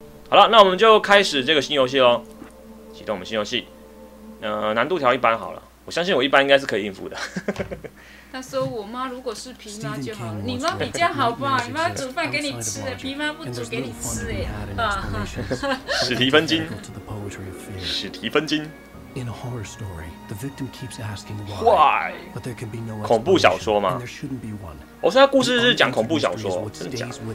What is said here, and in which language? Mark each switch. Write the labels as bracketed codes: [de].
[zh] 好了，那我们就开始这个新游戏喽。启动我们新游戏，难度调一般好了。我相信我一般应该是可以应付的。他说我妈如果是皮妈就好了，你妈比较好吧？你妈煮饭给你吃，皮妈不煮给你吃哎。史提芬金，史提芬金。 [en] In a horror story, the victim keeps asking why. But there can be no explanation. [zh] 恐怖小说吗？我说他故事是讲恐怖小说，真的假的？